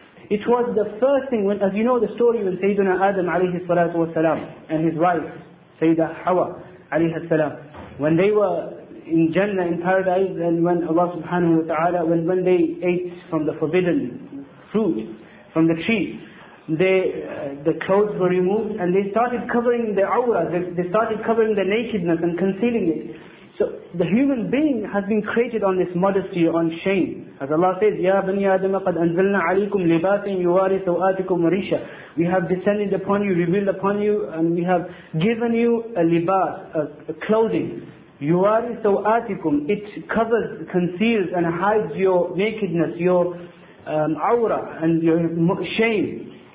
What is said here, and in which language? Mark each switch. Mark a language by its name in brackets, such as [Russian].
[English] it was the first thing, when, as you know the story, when Sayyidina Adam alayhi salatu wa salam and his wife Sayyida Hawa alayhi salam, when they were in Jannah, in paradise, and when Allah subhanahu wa ta'ala, when they ate from the forbidden fruit, from the tree, the clothes were removed, and they started covering the awrah, they started covering the nakedness and concealing it. So the human being has been created on this modesty, on shame. As Allah says, [Arabic] يَا بَنِيَ آدَمَ قَدْ أَنزَلْنَا عَلَيْكُمْ لِبَاسٍ يُوَارِي سَوْآتِكُمْ وَرِيشًا. [English] We have descended upon you, revealed upon you, and we have given you a libas, a clothing. [Arabic] يُوَارِي سَوْآتِكُمْ. [English] It covers, conceals, and hides your nakedness, your awrah, and your shame.